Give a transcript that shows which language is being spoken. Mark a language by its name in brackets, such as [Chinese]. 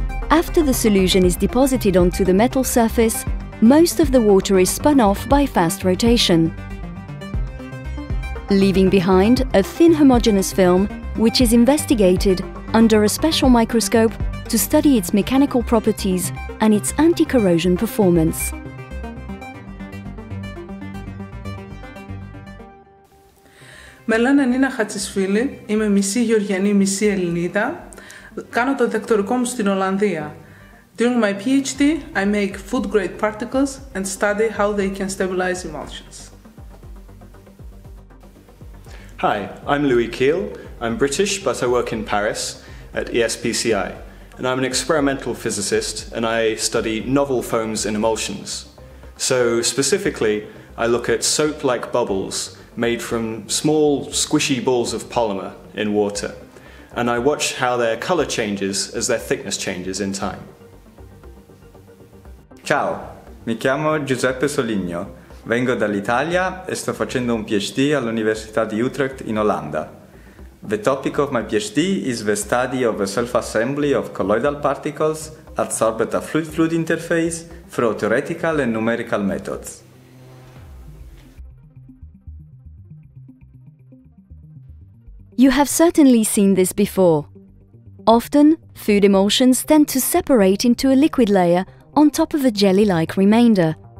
[English] After the solution is deposited onto the metal surface, most of the water is spun off by fast rotation, leaving behind a thin homogeneous film, which is investigated under a special microscope to study its mechanical properties and its anti-corrosion performance. [Greek] Μελάνα Νίνα Χατσισφίλη, είμαι μισή Γεωργιανή, μισή Ελληνίδα. Κάνω το δεκτορικό μου στην Ολλανδία. [English] During my PhD, I make food-grade particles and study how they can stabilize emulsions. Hi, I'm Louis Keel. I'm British, but I work in Paris at ESPCI. And I'm an experimental physicist, and I study novel foams in emulsions. So specifically, I look at soap-like bubbles made from small, squishy balls of polymer in water. And I watch how their color changes as their thickness changes in time. [Italian] Ciao, mi chiamo Giuseppe Soligno. Vengo dall'Italia e sto facendo un PhD all'Università di Utrecht in Olanda. [English] The topic of my PhD is the study of the self-assembly of colloidal particles adsorbed at fluid-fluid interface through theoretical and numerical methods. You have certainly seen this before. Often, food emulsions tend to separate into a liquid layer on top of a jelly-like remainder.